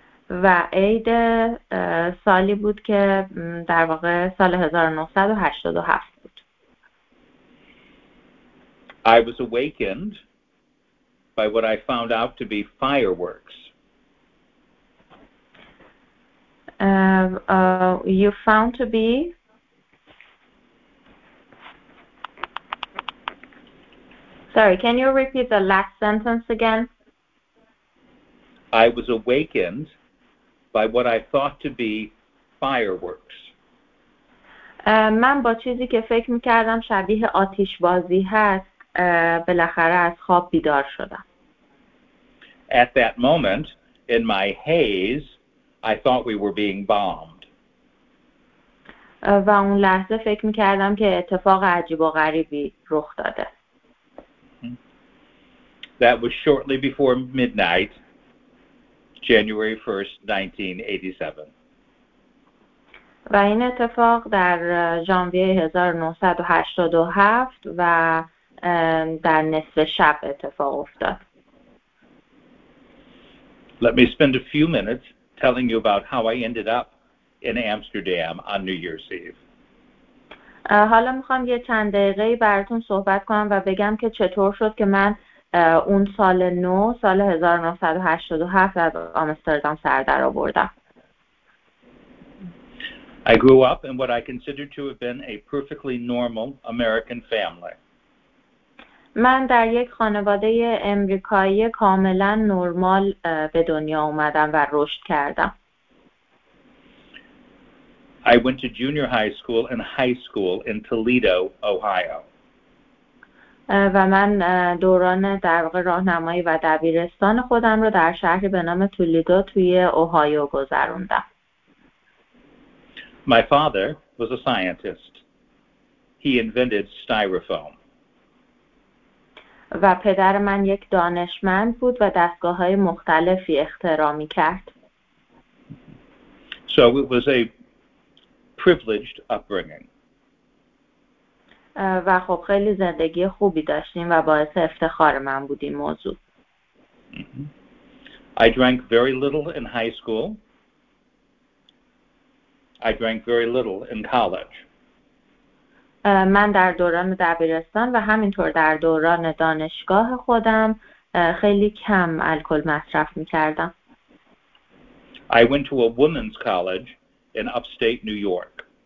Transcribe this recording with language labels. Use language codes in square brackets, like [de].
[fa] و عید سالی بود که در واقع سال 1987 بود. [en] I was awakened by what I found out to be fireworks. You found to be? Sorry, can you repeat the last sentence again? I was awakened by what I thought to be fireworks. [fa] من با چیزی که فکر میکردم شبیه آتش بازی هست بالاخره از خواب بیدار شدم. [en] At that moment in my haze I thought we were being bombed. [fa] و اون لحظه فکر میکردم که اتفاق عجیب و غریبی رخ داده. [en] That was shortly before midnight. January 1st, 1987. [fa] و این اتفاق در ژانویه 1987 و در نصف شب اتفاق افتاد. [en] Let me spend a few minutes telling you about how I ended up in Amsterdam on New Year's Eve. [fa] حالا میخوام یه چند دقیقه براتون صحبت کنم و بگم که چطور شد که من اون سال نو سال 1987 از آمستردام سر در آوردم. [en] I grew up in what I consider to have been a perfectly normal American family. [fa] من در یک خانواده آمریکایی کاملا نرمال به دنیا اومدم و رشد کردم. [en] I went to junior high school and high school in Toledo, Ohio. [fa] و من دوران در واقع راهنمایی و دبیرستان خودم رو در شهری به نام تولیدو توی اوهایو گذروندم. [en] My father was a scientist. He invented styrofoam. [fa] و پدر من یک دانشمند بود و دستگاه‌های مختلفی اختراع می‌کرد. [en] So it was a privileged upbringing. [fa] و خب خیلی زندگی خوبی داشتیم و باعث افتخار من بود این موضوع. [en] I drank very little in high school. I drank very little in college. [fa] من در دوران دبیرستان و همینطور در دوران دانشگاه خودم خیلی کم الکل مصرف می‌کردم. [en] I went to a women's college in upstate New York.